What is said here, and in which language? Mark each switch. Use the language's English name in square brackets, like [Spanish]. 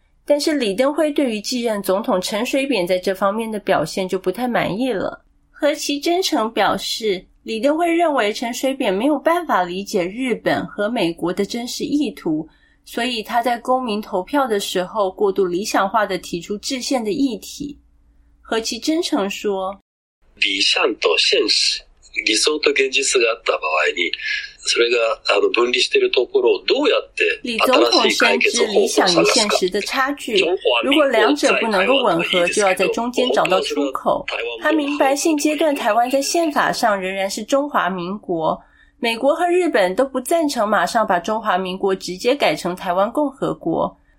[Chinese] 但是李登辉对于继任总统陈水扁在这方面的表现就不太满意了。何其真诚表示，李登辉认为陈水扁没有办法理解日本和美国的真实意图，所以他在公民投票的时候过度理想化地提出制宪的议题。何其真诚说， [Japanese] 理想と現実、理想と現実があった場合に、それが分離しているところをどうやって理想と現実、 [Chinese] 理想与现实的差距，如果两者不能够吻合，就要在中间找到出口。他明白现阶段台湾在宪法上仍然是中华民国，美国和日本都不赞成马上把中华民国直接改成台湾共和国。